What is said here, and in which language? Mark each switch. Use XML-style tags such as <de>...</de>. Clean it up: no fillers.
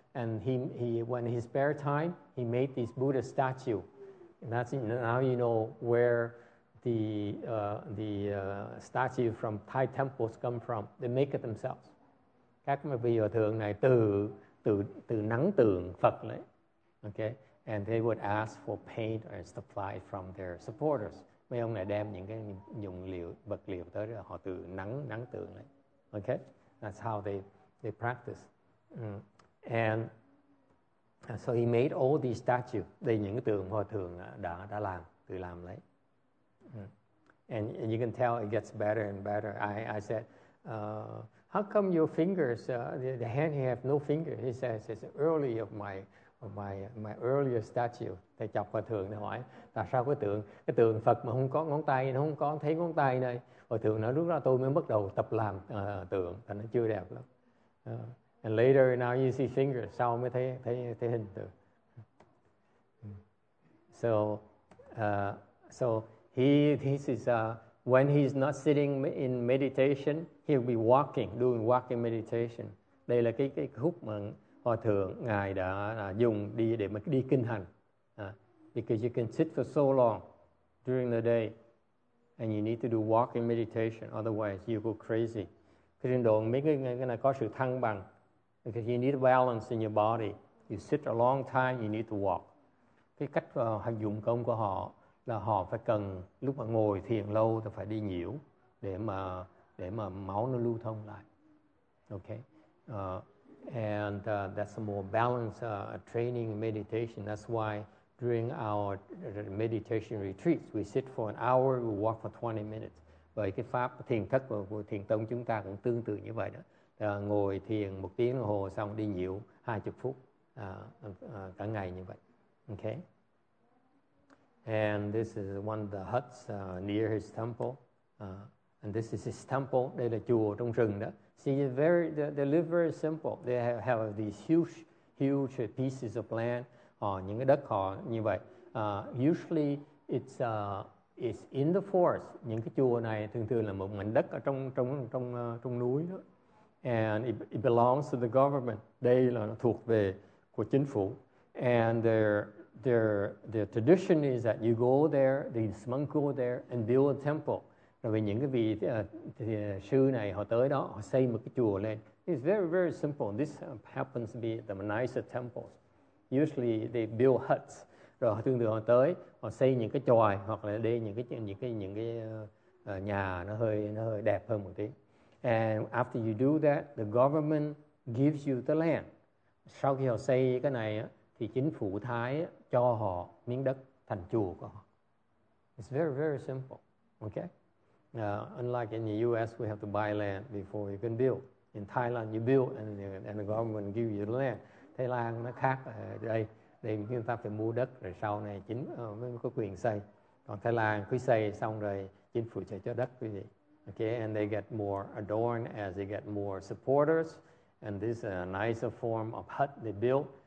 <en>And he when his spare time, he made this Buddha statue. And that's now you know where the statue from Thai temples come from. They make it themselves.</en> <vi>Các vị hòa thượng này từ nắng tượng Phật đấy.</vi> <en>Okay, and they would ask for paint or supply from their supporters.</en> <vi>Mấy ông này đem những cái dụng liệu, vật liệu tới rồi họ tự nắng tượng lại.</vi> <en>Okay, that's how they practice. And so he made all these statues.</en> <vi>Đây những cái tượng hòa thượng đã làm, tự làm lấy.</vi> <en>And you can tell it gets better and better. I said, how come your fingers, the hand here have no finger? He says, it's early of my earlier statue.</en> <vi>Thầy chọc hòa thượng này hỏi tại sao cái tượng Phật mà không có ngón tay, nó không có thấy ngón tay này. Hòa thượng nói lúc đó tôi mới bắt đầu tập làm tượng thì nó chưa đẹp lắm.</vi> <en>And later now you see fingers,</en> <vi>sau mới thấy hình tượng.</vi> <en>So he this is when he's not sitting in meditation, he'll be doing walking meditation.</en> <vi>Đây là cái khúc mà hòa thượng ngài đã dùng đi để mà đi kinh hành.</vi> <en>Because you can sit for so long during the day and you need to do walking meditation, otherwise you go crazy.</en> <vi>Trình độ mấy cái này có sự thăng bằng.</vi> <en>Because you need a balance in your body. You sit a long time, you need to walk.</en> <vi>Cái cách hành dụng công của họ là họ phải cần lúc mà ngồi thiền lâu thì phải đi nhiều để mà máu nó lưu thông lại.</vi> <en>Okay. And that's a more balanced training meditation. That's why during our meditation retreats, we sit for an hour, we walk for 20 minutes.</en> <vi>Vậy cái pháp thiền thất của thiền tông chúng ta cũng tương tự như vậy đó. Ngồi thiền một tiếng đồng hồ xong đi nhiễu 20 phút cả ngày như vậy.</vi> <en>Okay. And this is one of the huts near his temple. And this is his temple, the Duo Dongsheng. See, they live very simple. They have these huge pieces of land on Ningbo Dock. Usually, it's in the forest.</en> <vi>Những cái chùa này thường thường là một mảnh đất ở trong trong trong trong núi đó.</vi> <en>And it belongs to the government.</en> <vi>Đây là nó thuộc về của chính phủ.</vi> <en>And their tradition is that you go there, these monks go there and build a temple.</en> <vi>Rồi những cái vị sư này họ tới đó, họ xây một cái chùa lên.</vi> <en>It's very very simple. This happens to be the nicer temples. Usually they build huts.</en> <vi>Rồi thường thường họ tới, họ xây những cái chòi hoặc là đi những cái nhà nó hơi đẹp hơn một tí.</vi> <en>And after you do that, the government gives you the land.</en> <vi>Sau khi họ xây cái này á, thì chính phủ Thái cho họ miếng đất thành chùa của họ.</vi> <en>It's very very simple, okay? Unlike in the U.S., we have to buy land before you can build. In Thailand, you build and the government give you the land.</en> <vi>Thái Lan nó khác đây. Thì người ta phải mua đất rồi sau này chính mới có quyền xây. Còn Thái Lan cứ xây xong rồi chính phủ sẽ cho đất quý vị.</vi> <en>Okay, and they get more adorned as they get more supporters, and this is a nicer form of hut they build.</en>